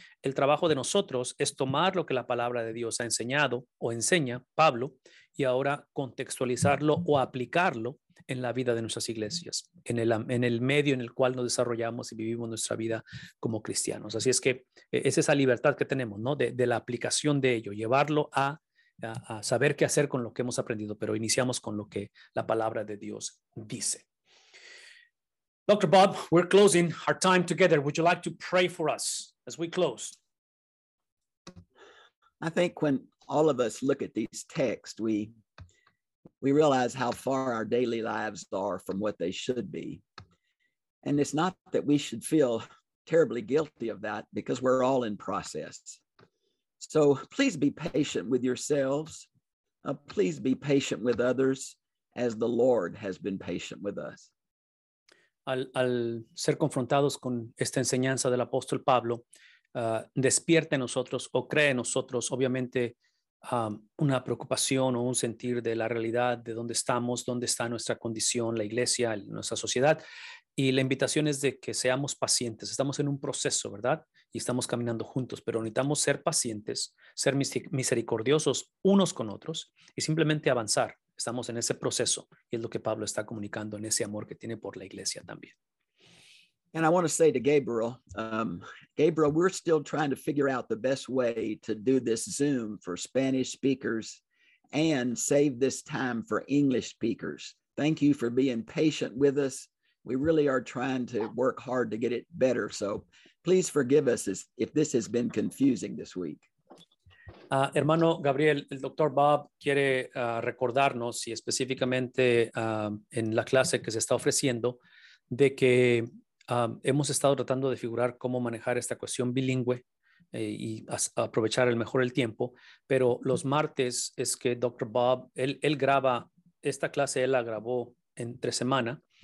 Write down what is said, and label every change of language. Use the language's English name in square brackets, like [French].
[Spanish] El trabajo de nosotros es tomar lo que la palabra de Dios ha enseñado o enseña Pablo y ahora contextualizarlo o aplicarlo en la vida de nuestras iglesias, en el medio en el cual nos desarrollamos y vivimos nuestra vida como cristianos. Así es que es esa libertad que tenemos, ¿no? De la aplicación de ello, llevarlo a saber qué hacer con lo que hemos aprendido, pero iniciamos con lo que la palabra de Dios dice. [English] Dr. Bob, we're closing our time together. Would you like to pray for us as we close? I think when all of us look at these texts, we realize how far our daily lives are from what they should be. And it's not that we should feel terribly guilty of that, because we're all in process. So please be patient with yourselves. Please be patient with others as the Lord has been patient with us. [Spanish] Al ser confrontados con esta enseñanza del apóstol Pablo, despierta en nosotros o cree en nosotros, obviamente, una preocupación o un sentir de la realidad de dónde estamos, dónde está nuestra condición, la iglesia, nuestra sociedad. Y la invitación es de que seamos pacientes. Estamos en un proceso, ¿verdad? Y estamos caminando juntos, pero necesitamos ser pacientes, ser misericordiosos unos con otros y simplemente avanzar. Estamos en ese proceso y es lo que Pablo está comunicando en ese amor que tiene por la iglesia también. [English] And I want to say to Gabriel, Gabriel, we're still trying to figure out the best way to do this Zoom for Spanish speakers and save this time for English speakers. Thank you for being patient with us. We really are trying to work hard to get it better. So please forgive us if this has been confusing this week. [Spanish] Hermano Gabriel, el Dr. Bob quiere recordarnos, y específicamente en la clase que se está ofreciendo, de que hemos estado tratando de figurar cómo manejar esta cuestión bilingüe y aprovechar el mejor el tiempo. Pero los martes es que Dr. Bob, él graba esta clase, él la grabó entre semana.